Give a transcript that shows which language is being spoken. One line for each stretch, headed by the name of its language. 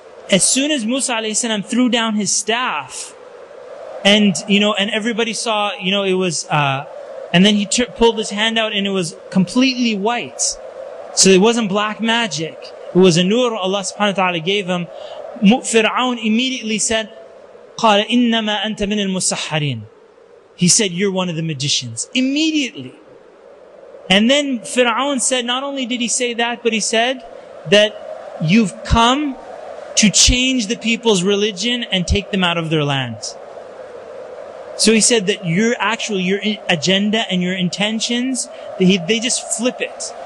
English: As soon as Musa alayhi salam threw down his staff, and, you know, and everybody saw, you know, it was, and then he pulled his hand out and it was completely white. So it wasn't black magic. It was a nur Allah subhanahu wa ta'ala gave him. Fir'aun immediately said,
Arabic: قَالَ إِنَّمَا أَنْتَ مِنَ الْمُسَحَّرِينَ.
English: He said, you're one of the magicians. Immediately. And then Fir'aun said, not only did he say that, but he said that you've come to change the people's religion and take them out of their land. So he said that your agenda and your intentions, they just flip it.